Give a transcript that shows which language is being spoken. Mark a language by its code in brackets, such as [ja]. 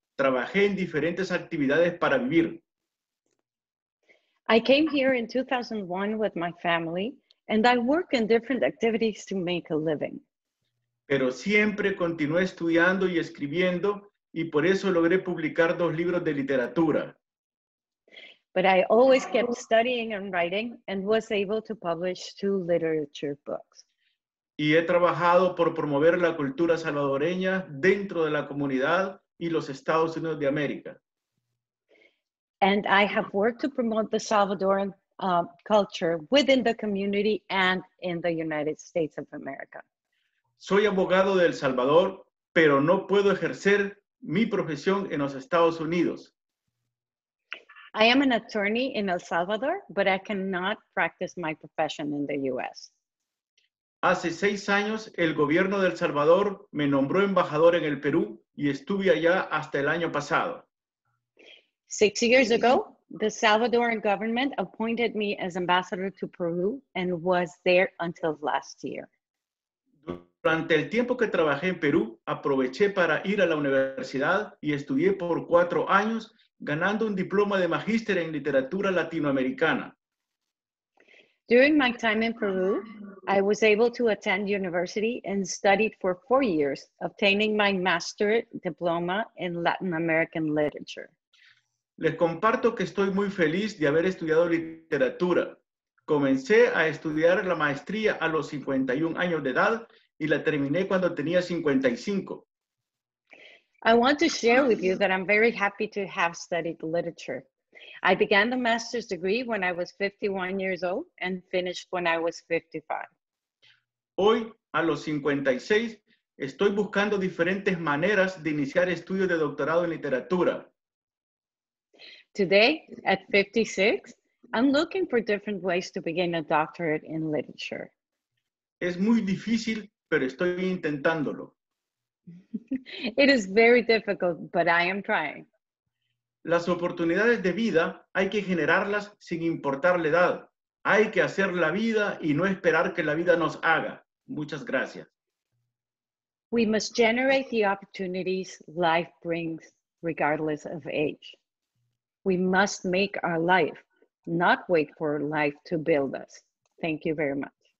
[es] Trabajé en diferentes actividades para vivir. [en] I came here in 2001 with my family, and I work in different activities to make a living. [es] Pero siempre continué estudiando y escribiendo, y por eso logré publicar dos libros de literatura. [en] but I always kept studying and writing and was able to publish two literature books. [es] Y he trabajado por promover la cultura salvadoreña dentro de la comunidad y los Estados Unidos de América. [en] And I have worked to promote the Salvadoran culture within the community and in the United States of America. [es] Soy abogado de El Salvador, pero no puedo ejercer mi profesión en los Estados Unidos. [en] I am an attorney in El Salvador, but I cannot practice my profession in the U.S. [es] Hace 6 años, el gobierno de El Salvador me nombró embajador en el Perú y estuve allá hasta el año pasado. [en] 6 years ago, the Salvadoran government appointed me as ambassador to Peru and was there until last year. [es] Durante el tiempo que trabajé en Perú, aproveché para ir a la universidad y estudié por 4 años, ganando un diploma de magíster en literatura latinoamericana. [en] During my time in Peru, I was able to attend university and studied for 4 years, obtaining my master's diploma in Latin American literature. [es] Les comparto que estoy muy feliz de haber estudiado literatura. Comencé a estudiar la maestría a los 51 años de edad y la terminé cuando tenía 55. [en] I want to share with you that I'm very happy to have studied literature. I began the master's degree when I was 51 years old and finished when I was 55. [es] Hoy, a los 56, estoy buscando diferentes maneras de iniciar estudios de doctorado en literatura. [en] Today, at 56, I'm looking for different ways to begin a doctorate in literature. [es] Es muy difícil, pero estoy intentándolo. [en] It is very difficult, but I am trying. [es] Las oportunidades de vida hay que generarlas sin importar la edad. Hay que hacer la vida y no esperar que la vida nos haga. Muchas gracias. [en] We must generate the opportunities life brings regardless of age. We must make our life, not wait for life to build us. Thank you very much.